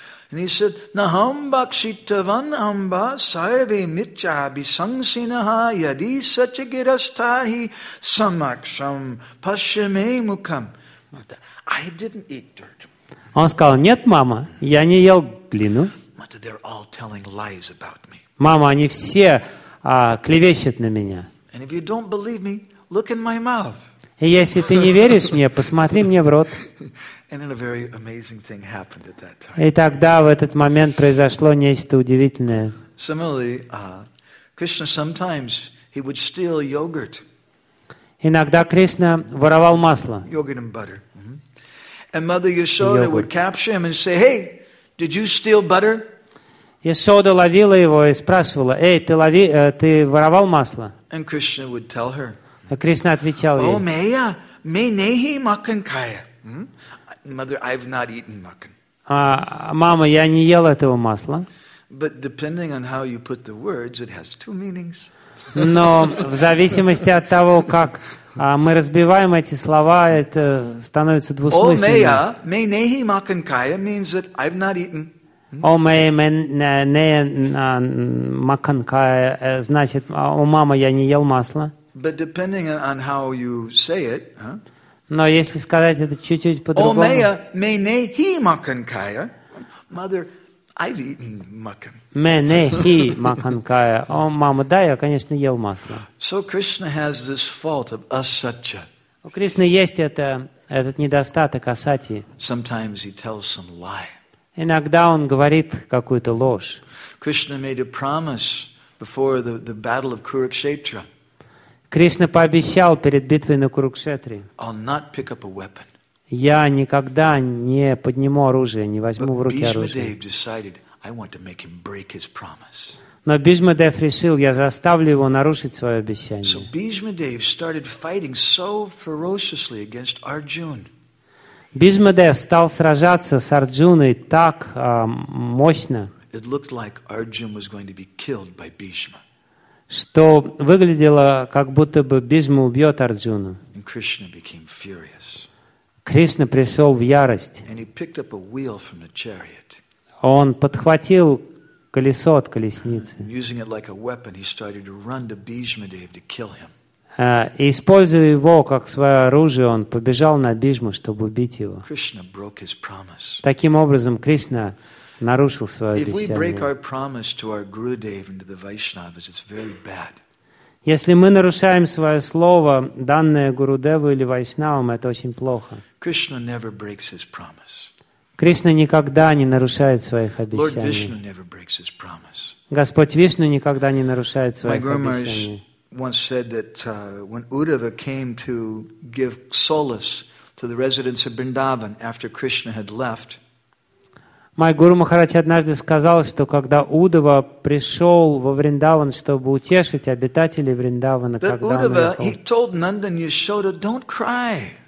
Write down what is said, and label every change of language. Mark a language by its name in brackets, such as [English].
[English] And he said, [Sanskrit] "Naham bhakshitavan amba sarve mitcha bisangsinaha yadi sachigirastahi samaksham pashyame mukham." [English] I didn't eat dirt. [Russian] Он сказал: "Нет, мама, я не ел глину." [English] Mother, they're all telling lies about me. [Russian] Мама, они все клевещет на меня. [English] And if you don't believe me, look in my mouth. [Russian] И если ты не веришь мне, посмотри мне в рот. [English] And a very amazing thing happened at that time. [Russian] И тогда в этот момент произошло нечто удивительное. [English] Similarly, Krishna sometimes he would steal yogurt. [Russian] Иногда Кришна воровал масло. [English] Yogurt and butter. Mm-hmm. And Mother Yashoda would capture him and say, "Hey, did you steal butter?" [Russian] Яшода ловила его и спрашивала: «Эй, ты воровал масло?» И Кришна [English] would tell her. [Russian] А Кришна отвечал ей: [Hindi] «О, мэя, мэ нехи макан кая». [English] Mother, I've not eaten makan. [Russian] Мама, я не ел этого масла. [English] But depending on how you put the words, it has two meanings. [Russian] Но в зависимости от того, как мы разбиваем эти слова, это становится двусмысленным. [Hindi] «О, мэя, мэ нехи макан кая» [English] means that I've not eaten. [Hindi] О, мэ, не, маканка, [Russian] значит, о, мама, я не ел масло. [English] But depending on how you say it, [Russian] но если сказать это чуть-чуть по-другому. [Hindi] О, мэя, мэ, не, хи, маканкая. [English] Mother, I've eaten макан. [Hindi] Мэ, не, хи, маканкая. [Russian] О, мама, да, я, конечно, ел масло. [English] So Krishna has this fault of asatya. [Russian] У Кришны есть этот недостаток асати. [English] Sometimes he tells some lie. [Russian] Иногда он говорит какую-то ложь. [English] Krishna made a promise before the battle of Kurukshetra. [Russian] Кришна пообещал перед битвой на Курукшетре. [English] I'll not pick up a weapon. [Russian] Я никогда не подниму оружие, не возьму [English] But [Russian] в руки [English] Bhishma [Russian] оружие. [English] Dev decided, I want to make him break his promise. [Russian] Но Бхишма Дев решил, я заставлю его нарушить свое обещание. [English] So Bhishma Dev started fighting so ferociously against Arjuna. [Russian] Бхишма Дев стал сражаться с Арджуной так мощно, [English] It looked like Arjuna was going to be killed by Bhishma. [Russian] Что выглядело, как будто бы Бхишма убьет Арджуну. [English] And Krishna became furious. [Russian] Кришна пришел в ярость. [English] And he picked up a wheel from the chariot. [Russian] Он подхватил колесо от колесницы. [English] And using it like a weapon, he started to run to Bhishma Dev to kill him. [Russian] И, используя его как свое оружие, он побежал на Бхишму, чтобы убить его. [English] Krishna broke his promise. [Russian] Таким образом, Кришна нарушил свое обещание. [English] If we break our promise to our Gurudev and to the Vaishnavas, it's very bad. [Russian] Если мы нарушаем свое слово, данное Гурудеву или Вайшнавам, это очень плохо. [English] Krishna never breaks his promise. [Russian] Кришна никогда не нарушает своих обещаний. [English] Lord Vishnu never breaks his promise. [Russian] Господь Вишну никогда не нарушает своих обещаний. [English] Once said that when Uddhava came to give solace to the residents of Vrindavan after Krishna had left, My Guru Maharaj [Russian] однажды сказал, что когда Уддхава пришел во Вриндаван, чтобы утешить обитателей Вриндавана, когда [English] Уддхава, he told Nanda and Yashoda, "Don't cry."